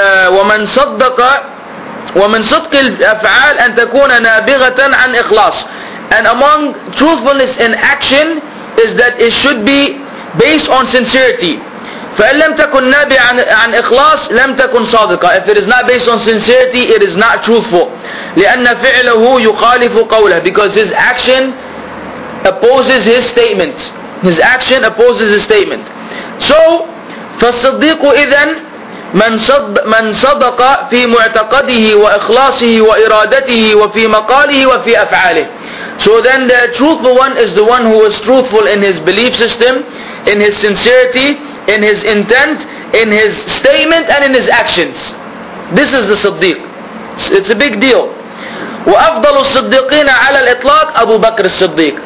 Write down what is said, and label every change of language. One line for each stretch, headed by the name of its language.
Arabic: ومن صدق ومن صدق الأفعال أن تكون نابغة عن إخلاص.
English: And among truthfulness in action is that it should be based on sincerity.
Arabic: فإن لم تكن نابعا عن إخلاص لم تكن صادقة.
English: If it is not based on sincerity, it is not truthful.
Arabic: لأن فعله يخالف قوله.
English: Because his action opposes his statement. His action opposes his statement.
Arabic: So, فالصديق إذن من صدق في معتقده وإخلاصه وإرادته وفي مقاله وفي أفعاله.
English: So then the truthful one is the one who is truthful in his belief system, in his sincerity, in his intent, in his statement, and in his actions. This is the Siddiq. It's a big deal.
Arabic: وَأَفْضَلُ الصِّدِّقِينَ عَلَى الْإِطْلَاقِ أَبُو بَكْرِ الصِّدِّيقِ.